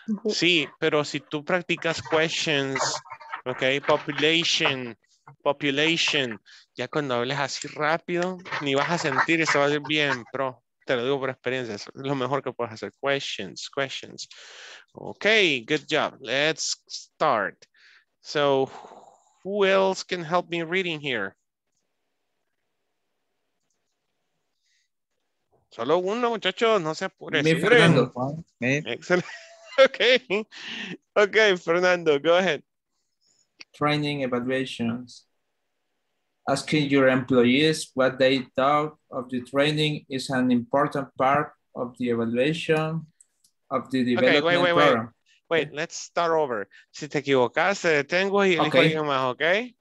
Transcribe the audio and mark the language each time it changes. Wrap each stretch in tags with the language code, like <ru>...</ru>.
<es>Sí, pero si tú practicas questions, ok, population. Ya cuando hables así rápido, ni vas a sentir, eso va a ser bien, pero te lo digo por experiencia, es lo mejor que puedes hacer.</es> <en>Questions. Ok, good job. Let's start. So, who else can help me reading here?</en> <es>Solo uno, muchachos, no se apure. Mi Fernando.</es> <en>Excellent. Okay, Fernando, go ahead. Training evaluations. Asking your employees what they thought of the training is an important part of the evaluation of the development program. Wait, let's start over.</en> <es>Si te equivocaste, detengo y elijo más, okay?</es>